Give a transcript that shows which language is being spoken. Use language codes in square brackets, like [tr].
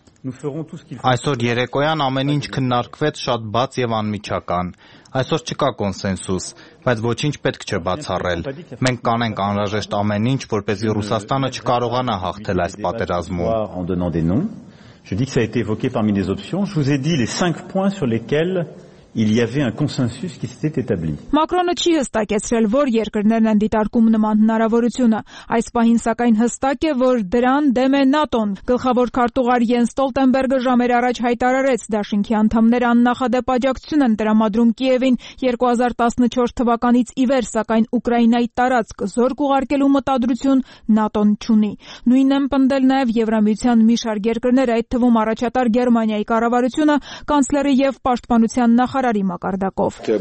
[hy] Այսօր երեկոյան ամեն ինչ քննարկվեց շատ բաց և անմիջական։ Այսօր չկա կոնսենսուս, բայց ոչինչ պետք չէ բացառել։ Մենք կանենք անհրաժեշտ ամեն ինչ, որպեսզի Ռուսաստանը չկարողանա հաղթել այս պատերազմում։ [fr] Je dis que ça a été évoqué parmi les options, je vous ai dit les 5 points sur lesquels Il y avait un consensus qui s'était établi. [hy] Մակրոնը չի հստակեցրել, որ երկրներն են դիտարկում նման հնարավորությունը։ Այս պահին սակայն հստակ է, որ դրան դեմ է ՆԱՏՕ-ն։ Գլխավոր քարտուղար Յենս Ստոլտենբերգը ժամեր առաջ հայտարարեց, Դաշինքի անդամները աննախադեպ աջակցություն են տրամադրում Կիևին 2014 թվականից ի վեր, սակայն Ուկրաինայի տարածք զորք ուղարկելու մտադրություն ՆԱՏՕ-ն չունի։ Նույնն են պնդել նաև Եվրամիության մի շարք երկրներ, այդ թվում առաջատար Գերմանիայի կառավարությունը, կանցլերը եւ պաշտպանության նախարարի մակարդակով.